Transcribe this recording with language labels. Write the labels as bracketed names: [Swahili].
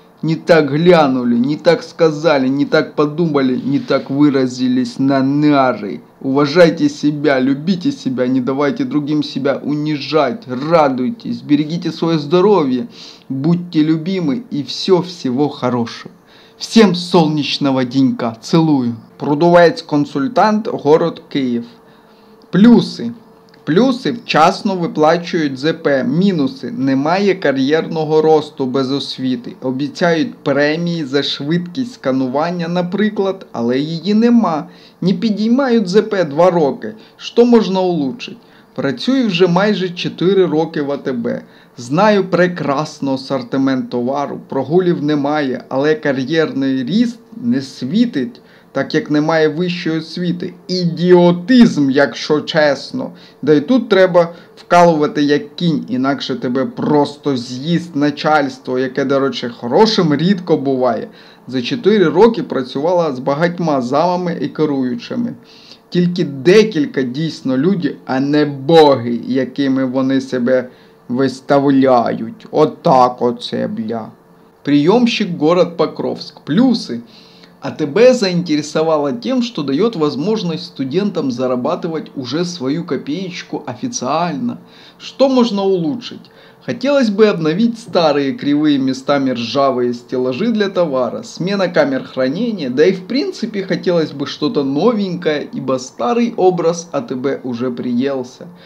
[Russian] Не так глянули, не так сказали, не так подумали, не так выразились на нары. Уважайте себя, любите себя, не давайте другим себя унижать. Радуйтесь, берегите свое здоровье, будьте любимы и всего хорошего. Всем солнечного денька, целую. [Ukrainian] Продувець консультант, город Київ. Плюсы. Плюси – вчасно виплачують ЗП. Мінуси – немає кар'єрного росту без освіти. Обіцяють премії за швидкість сканування, наприклад, але її нема. Не підіймають ЗП 2 роки. Що можна улучшити? Працюю вже майже 4 роки в АТБ. Знаю прекрасно асортимент товару, прогулів немає, але кар'єрний ріст не світить. Так як немає вищої освіти. Ідіотизм, якщо чесно. Да і тут треба вкалувати як кінь, інакше тебе просто з'їсть начальство, яке, до речі, хорошим рідко буває. За 4 роки працювала з багатьма замами і керуючими. Тільки декілька дійсно люди, а не боги, якими вони себе виставляють. Отак оце, бля. [Russian] Прийомщик город Покровск. [Ukrainian] Плюси. [Russian] А тебе заинтересовало тем, что дает возможность студентам зарабатывать уже свою копеечку официально. Что можно улучшить? Хотелось бы обновить старые кривые местами ржавые стеллажи для товара, смена камер хранения, да и в принципе хотелось бы что-то новенькое, ибо старый образ АТБ уже приелся.